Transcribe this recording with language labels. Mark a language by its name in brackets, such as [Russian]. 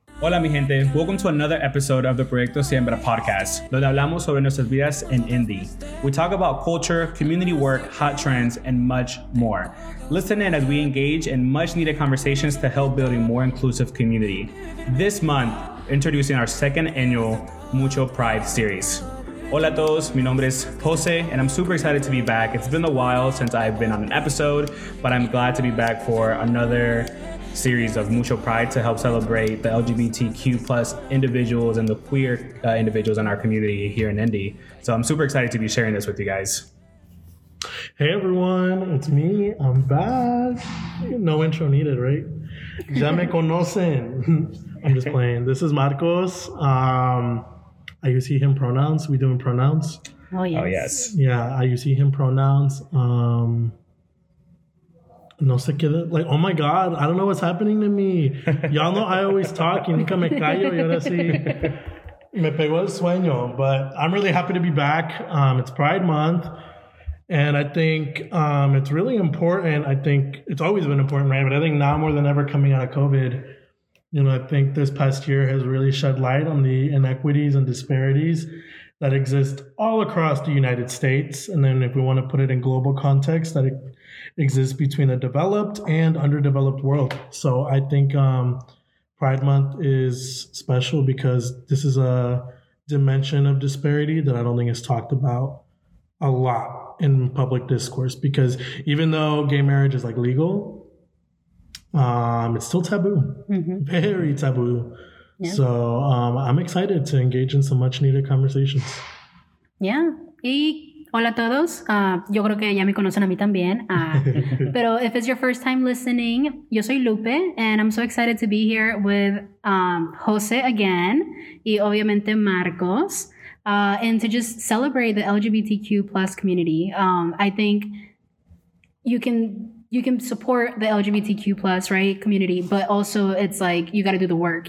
[Spanish] Hola mi gente, [English] welcome to another episode of the Proyecto Siembra podcast, [Spanish] donde hablamos sobre nuestras vidas en indie. [English] We talk about culture, community work, hot trends, and much more. Listen in as we engage in much needed conversations to help build a more inclusive community. This month, introducing our second annual Mucho Pride series. [Spanish] Hola a todos, mi nombre es Jose, [English] and I'm super excited to be back. It's been a while since I've been on an episode, but I'm glad to be back for another series of Mucho Pride to help celebrate the LGBTQ plus individuals and the queer individuals in our community here in Indy. So I'm super excited to be sharing this with you guys. Hey everyone, it's me, I'm back. No intro needed, right? [Spanish] Ya me conocen. [English] I'm just playing. This is Marcos. I use he, him pronouns. We doing pronouns? Oh yes. Yeah, I use he, him pronouns. [Spanish] No sé qué, [English] like, oh my God, I don't know what's happening to me. Y'all know I always talk, [Spanish] y nunca me callo, y ahora sí. Me pegó el sueño, [English] but I'm really happy to be back. It's Pride Month, and I think it's really important. I think it's always been important, right? But I think now more than ever coming out of COVID, you know, I think this past year has really shed light on the inequities and disparities that exist all across the United States. And then if we want to put it in global context, that it exists between the developed and underdeveloped world. So I think Pride Month is special because this is a dimension of disparity that I don't think is talked about a lot in public discourse, because even though gay marriage is like legal, it's still taboo, very taboo. Yeah. So I'm excited to engage in some much needed conversations. Yeah. [Spanish] Hola a todos. Yo creo que ya me conocen a mí también. Pero [English] if it's your first time listening, [Spanish] yo soy Lupe, [English] and I'm so excited to be here with Jose again, [Spanish] y obviamente Marcos, [English] and to just celebrate the LGBTQ plus community. I think you can support the LGBTQ plus right community, but also it's like you got to do the work.